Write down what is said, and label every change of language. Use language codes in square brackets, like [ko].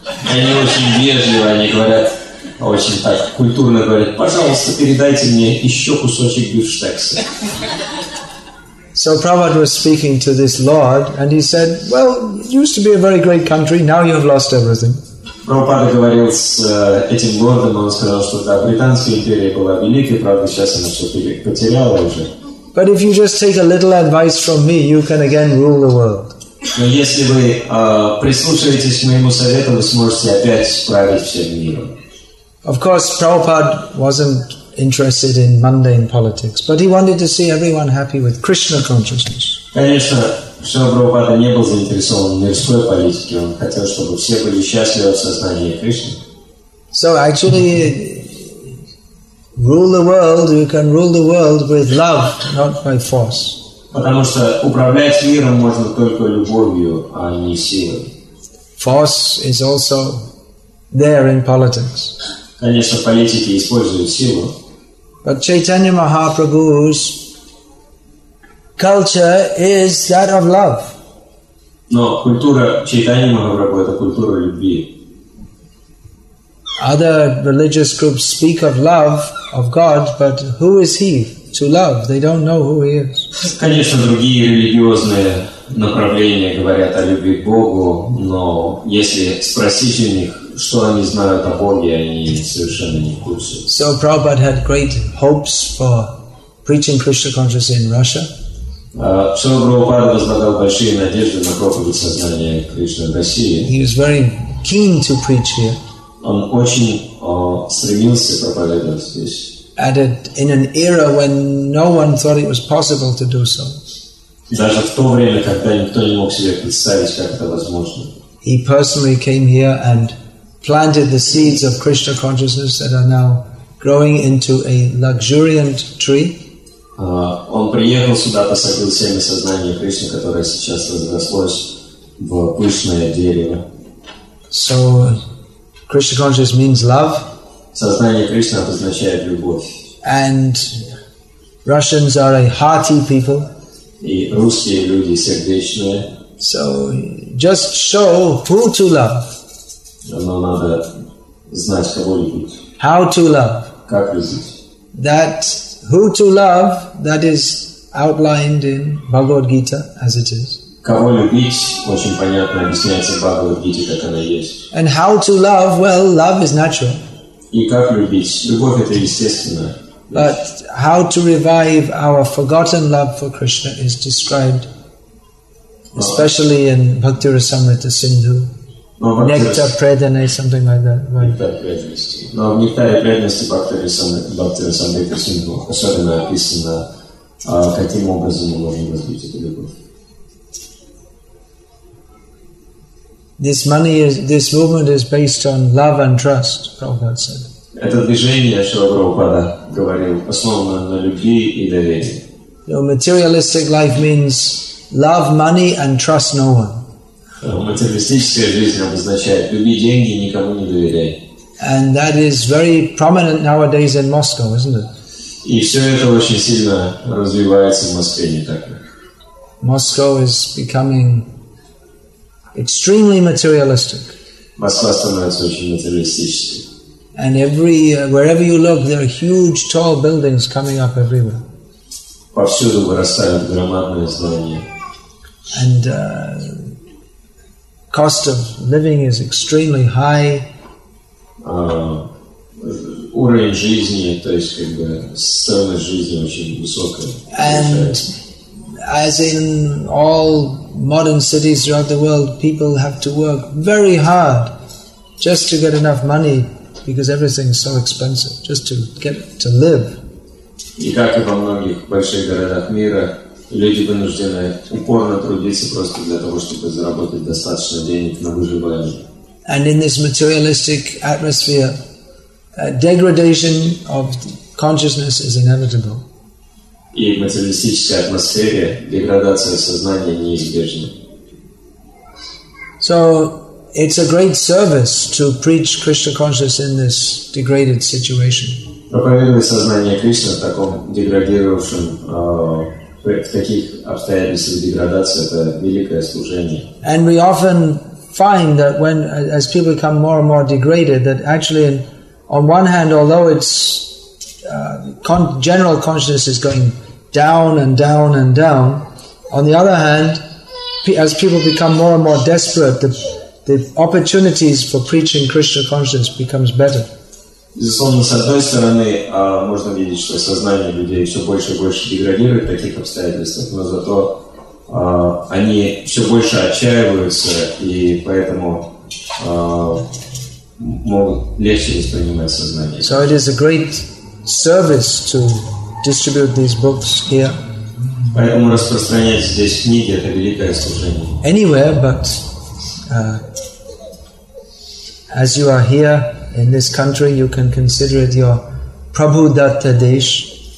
[ru] Они очень вежливо, они говорят, очень так культурно говорят, пожалуйста, передайте мне еще кусочек бифштекса. [en] So Prabhupada was speaking to this lord, and he said, well, it used to be a very great country, now you have lost everything. [ru] Прабхупада говорил с этим лордом, он сказал, что да, Британская империя была великой, правда, сейчас она все потеряла уже. [en] But if you just take a little advice from me, you can again rule the world. [ru] Но если вы прислушаетесь к моему совету, вы сможете опять править всем миром. [en] Of course, Prabhupada wasn't interested in mundane politics, but he wanted to see everyone happy with Krishna consciousness. [ru] Конечно, Шрила Прабхупада не был заинтересован в мирской политике. Он хотел, чтобы все были счастливы в сознании Кришны. [en] So actually, rule the world, you can rule the world with love, not by force. [ru] Потому что управлять миром можно только любовью, а не силой. [en] Force is also there in politics. [ru] Конечно, в политике используют силу. [en] But Chaitanya Mahaprabhu's culture is that of love. [ru] Но культура Чайтаньи Махапрабху – это культура любви. [en] Other religious groups speak of love of God, but who is he to love? They don't know who he is. [ru] Конечно, другие религиозные направления говорят о любви к Богу, но если спросить у них, что они знают о Боге, они совершенно не в курсе. [en] So Prabhupada had great hopes for preaching Krishna consciousness in Russia. [ru] Шрила Прабхупада возлагал большие надежды на проповедь сознания Кришны в России. [en] He was very keen to preach here. [ru] Он очень стремился проповедовать здесь. [en] At a, in an era when no one thought it was possible to do so. [ru] Даже в то время, когда никто не мог себе представить, как это возможно. [en] He personally came here and planted the seeds of Krishna consciousness that are now growing into a luxuriant tree. [ru] Он приехал сюда, посадил семя сознания Кришны, которое сейчас разрослось в пышное дерево. [en] So Krishna consciousness means love. [ru] Сознание Кришны обозначает любовь. [en] And Russians are a hearty people. [ru] И русские люди сердечные. [en] So just show who to love. [ru] Но надо знать, кого любить. [en] How to love. [ru] Как любить. [en] That who to love, that is outlined in Bhagavad Gita as it is. [ru] Кого любить, очень понятно, объясняется в Бхагавад-гите, как она есть. [en] And how to love? Well, love is natural. [ru] И как любить? Любовь – это естественно. [en] But how to revive our forgotten love for Krishna is described, especially in Bhakti Rasamrita Sindhu. [ru] Нектар преданы, [en] something like that. [ru] Нектар преданности. Но в нектаре преданности Бхактивинода Сингху особенно описано, каким образом мы можем развить эту любовь. [en] This money is, this movement is based on love and trust, Prabhupada said. [ru] Это движение, что Прабхупада говорил, основано на любви и доверии. [en] Your materialistic life means love money and trust no one. [ru] Материалистическая жизнь обозначает люби деньги, никому не доверяй. [en] And that is very prominent nowadays in Moscow, isn't it? [ru] И все это очень сильно развивается в Москве, не так ли? [en] Moscow is becoming extremely materialistic. [ru] Москва становится очень материалистической. [en] And every wherever you look, there are huge, tall buildings coming up everywhere. [ru] Повсюду вырастают громадные здания. [en] And cost of living is extremely high. [ru] Уровень жизни, то есть как бы стоимость жизни очень высокая. [en] And as in all modern cities throughout the world, people have to work very hard just to get enough money, because everything is so expensive, just to get to live. [ru] И как и во многих больших городах мира, люди вынуждены упорно трудиться просто для того, чтобы заработать достаточно денег на выживание. [en] And in this materialistic atmosphere, degradation of consciousness is inevitable. [ru] И в материалистической атмосфере деградация сознания неизбежна. [en] So, it's a great service to preach Krishna consciousness in this degraded situation. [ru] Проповедовать сознание Кришны в таком деградировавшем, в таких обстоятельствах деградации, это великое служение. [en] And we often find that when, as people become more and more degraded, that actually, on one hand, although it's general consciousness is going down and down and down, on the other hand, as people become more and more desperate, the opportunities for preaching Krishna consciousness becomes better. [ru] Безусловно, с одной стороны, можно видеть, что сознание людей все больше и больше деградирует в таких обстоятельствах, но зато они все больше отчаиваются и поэтому могут легче воспринимать сознание. [en] So it is a great service to distribute these books here. [ru] Поэтому распространять здесь книги — это великое служение. [en] Anywhere, but as you are here in this country, you can consider it your Prabhu Datta Desh.